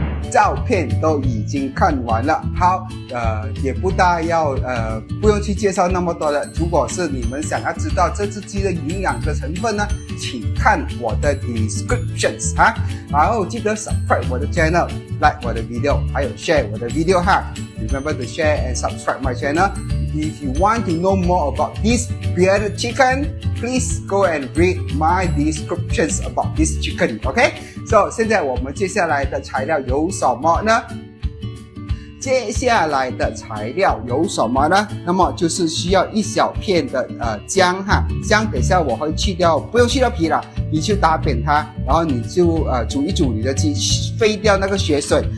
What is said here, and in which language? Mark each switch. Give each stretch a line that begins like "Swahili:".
Chinese: 照片都已经看完了，好，也不大要，不用去介绍那么多了。如果是你们想要知道这只鸡的营养的成分呢，请看我的
English: descriptions
Chinese: 啊，然后记得
English: subscribe
Chinese: 我的
English: channel， like
Chinese: 我的
English: video，
Chinese: 还有
English: share
Chinese: 我的 video 哈。
English: Remember to share and subscribe my channel. If you want to know more about this bearded chicken, please go and read my descriptions about this chicken. OK. So
Chinese: 现在我们接下来的材料有什么呢？接下来的材料有什么呢？那么就是需要一小片的姜哈，姜等一下我会去掉，不用去掉皮了，你就打扁它，然后你就煮一煮你的鸡，飞掉那个血水。